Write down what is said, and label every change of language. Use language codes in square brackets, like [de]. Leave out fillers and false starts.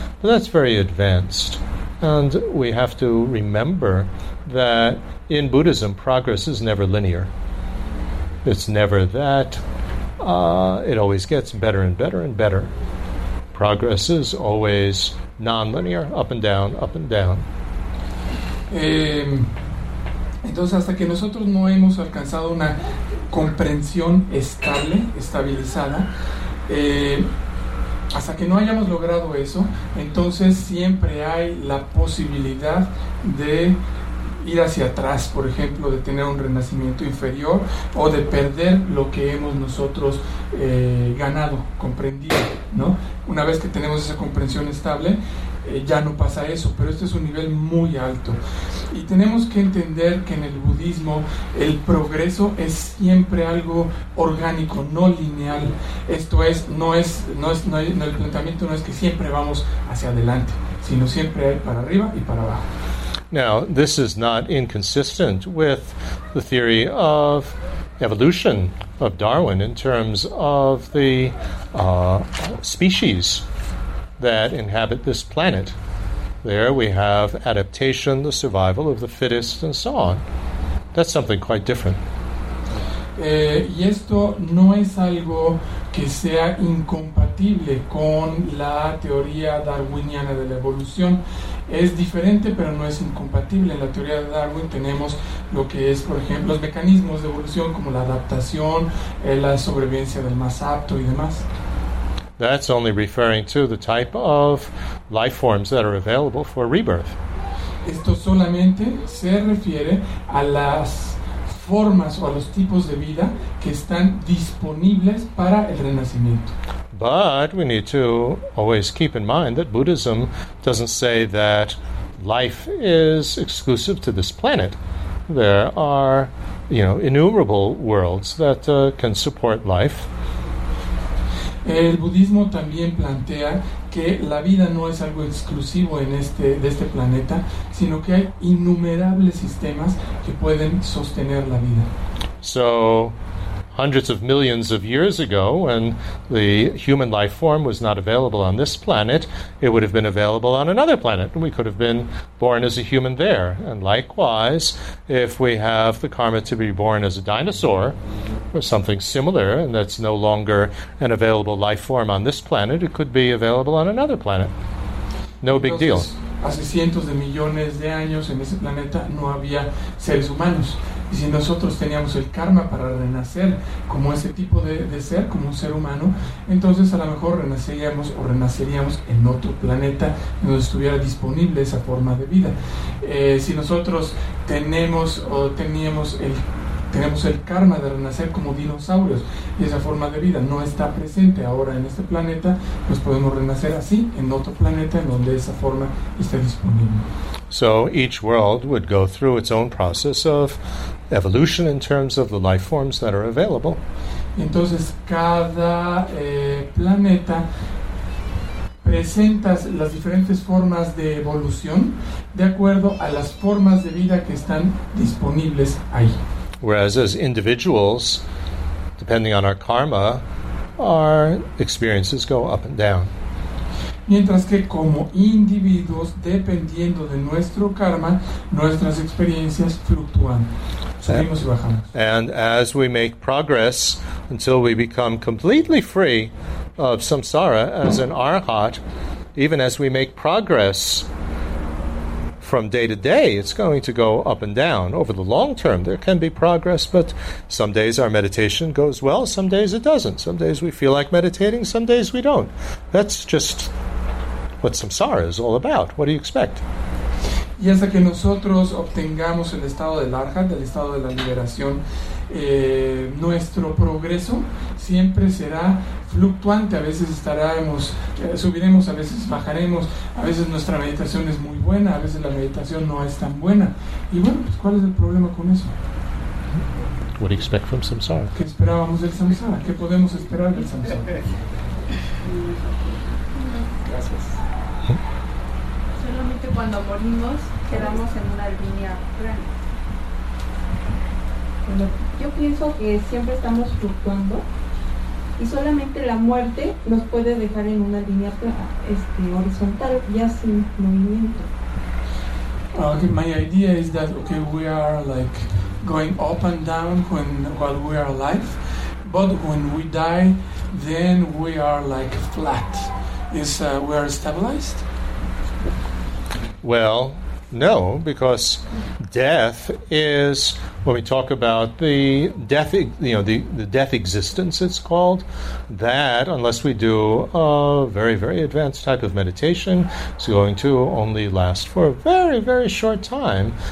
[en] But that's very advanced. And we have to remember that in Buddhism, progress is never linear. It's never that. It always gets better and better and better. Progress is always non-linear, up and down, up and down. [es] Entonces, hasta que nosotros no hemos alcanzado una comprensión estable, estabilizada, hasta que no hayamos logrado eso, entonces siempre hay la posibilidad de ir hacia atrás, por ejemplo, de tener un renacimiento inferior o de perder lo que hemos nosotros ganado, comprendido, ¿no? Una vez que tenemos esa comprensión estable, ya no pasa eso, pero este es un nivel muy alto. Y tenemos que entender que en el budismo el progreso es siempre algo orgánico, no lineal. Esto es, no es el planteamiento no es que siempre vamos hacia adelante, sino siempre hay para arriba y para abajo. [en] Now, this is not inconsistent with the theory of evolution of Darwin in terms of the species that inhabit this planet. There we have adaptation, the survival of the fittest, and so on. That's something quite different. [es] Y esto no es algo que sea incompatible con la teoría darwiniana de la evolución. Es diferente, pero no es incompatible. En la teoría de Darwin tenemos lo que es, por ejemplo, los mecanismos de evolución como la adaptación, la sobrevivencia del más apto y demás. [en] That's only referring to the type of life forms that are available for rebirth. [es] Esto solamente se refiere a las formas o a los tipos de vida que están disponibles para el renacimiento. [en] But we need to always keep in mind that Buddhism doesn't say that life is exclusive to this planet. There are, you know, innumerable worlds that can support life. [es] El budismo también plantea que la vida no es algo exclusivo en este, de este planeta, sino que hay innumerables sistemas que pueden sostener la vida. [en] So, hundreds of millions of years ago, when the human life form was not available on this planet, it would have been available on another planet, and we could have been born as a human there. And likewise, if we have the karma to be born as a dinosaur or something similar, and that's no longer an available life form on this planet, it could be available on another planet. No big deal. [es] Hace cientos de millones de años en ese planeta no había seres humanos. Y si nosotros teníamos el karma para renacer como ese tipo de ser, como un ser humano, entonces a lo mejor renaceríamos o renaceríamos en otro planeta donde estuviera disponible esa forma de vida. Si nosotros tenemos o teníamos el tenemos el karma de renacer como dinosaurios y esa forma de vida no está presente ahora en este planeta, pues podemos renacer así en otro planeta en donde esa forma esté disponible. [en] So each world would go through its own process of evolution in terms of the life forms that are available. [es] Entonces cada planeta presentas las diferentes formas de evolución de acuerdo a las formas de vida que están disponibles ahí. [en] Whereas as individuals, depending on our karma, our experiences go up and down. [es] Mientras que como individuos, dependiendo de nuestro karma, nuestras experiencias fluctúan. Subimos y bajamos. [en] And as we make progress until we become completely free of samsara as an arhat, even as we make progress from day to day, it's going to go up and down. Over the long term, there can be progress, but some days our meditation goes well, some days it doesn't. Some days we feel like meditating, some days we don't. That's just what samsara is all about. What do you expect? [es] Y hasta que nosotros obtengamos el estado del arhat, del estado de la liberación, nuestro progreso siempre será fluctuante. A veces estaremos, subiremos, a veces bajaremos, a veces nuestra meditación es muy buena, a veces la meditación no es tan buena. Y bueno, pues ¿cuál es el problema con eso? [en] What do you expect from samsara? [es] ¿Qué esperábamos del samsara? ¿Qué podemos esperar del samsara? Gracias. Solamente cuando morimos quedamos en una línea plana. diciendo, yo pienso que siempre estamos fluctuando y solamente la muerte nos puede dejar en una línea horizontal, ya sin movimiento. [en] Okay, my idea is that okay, we are like going up and down while we are alive, but when we die, then we are like flat. We are stabilized? Well, no, because death is when we talk about the death, the death existence, it's called that, unless we do a very, very advanced type of meditation, it's going to only last for a very, very short time.